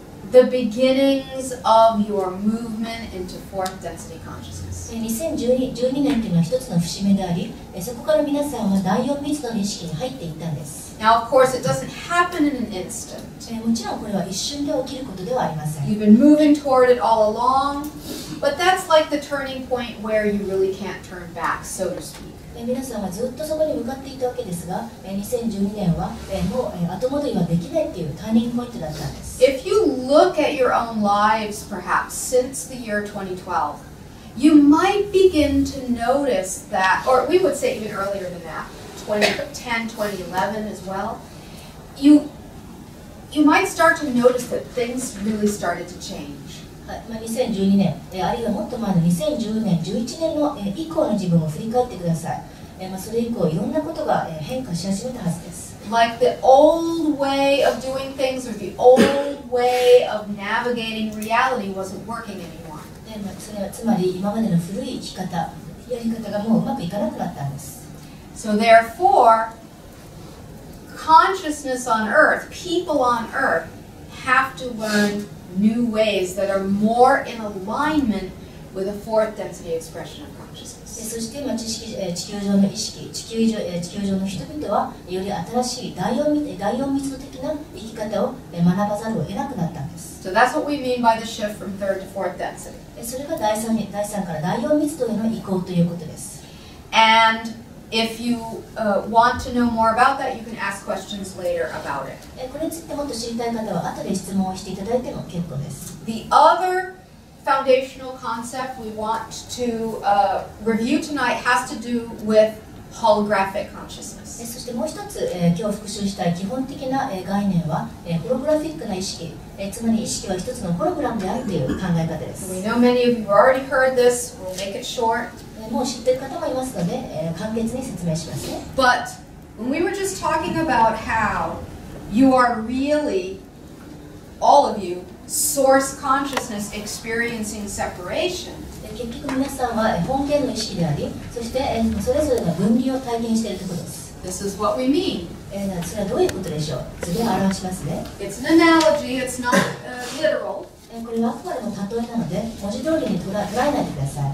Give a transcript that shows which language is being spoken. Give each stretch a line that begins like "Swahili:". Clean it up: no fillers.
English: The beginnings of your movement into fourth density consciousness.
Japanese: 2012年というのは一つの節目であり、そこから皆さんは第四密度の意識に入っていったんです。
English: Now, of course, it doesn't happen in an instant.
Japanese: もちろんこれは一瞬で起きることではありません。
English: You've been moving toward it all along, but that's like the turning point where you really can't turn back, so to speak.
Japanese: 皆さんはずっとそこに向かっていたわけですが、2012年はもう後戻りはできないというターニングポイントだったんです。
English: If you look at your own lives, perhaps since the year 2012, you might begin to notice that, or we would say even earlier than that, 2010, 2011 as well, you might start to notice that things really started to change.
Japanese: 2012年、あるいはもっと前の2010年、11年の以降の自分を振り返ってください。それ以降、いろんなことが変化し始めたはずです。
English: Like the old way of doing things or the old way of navigating reality wasn't working anymore.
Japanese: それはつまり、今までの古い生き方、やり方がもううまくいかなくなったんです。
English: So therefore, consciousness on earth, people on earth, have to learnnew ways that are more in alignment with a fourth density expression of consciousness.
Japanese: そして知識、地球上の意識、地球上の人々はより新しい第四密度的な生き方を学ばざるを得なくなったんです。
English: So that's what we mean by the shift from third to fourth density.
Japanese: それが第三から第四密度への移行ということです。
English: AndIf you want to know more about that, you can ask questions later about it.
Japanese: これについてもっと知りたい方は後で質問をしていただいても結構です。
English: The other foundational concept we want to review tonight has to do with holographic consciousness.
Japanese: そしてもう一つ、今日復習したい基本的な、概念は、ホログラフィックな意識、つまり意識は一つのホログラムであるという考え方です。
English: We know many of you have already heard this. We'll make it short.
Japanese: もう知っている方もいますので、簡潔に説明しますね。
English: But when we were just talking about how you are really, all of you, source consciousness experiencing separation,
Japanese: 結局皆さんは本源の意識であり、そしてそれぞれの分離を体験しているところです。
English: This is what we mean.
Japanese: それはどういうことでしょう。図で表しますね。
English: It's an analogy, it's not literal.
Japanese: これはあくまでも例えなので、文字通りに捉えないでください。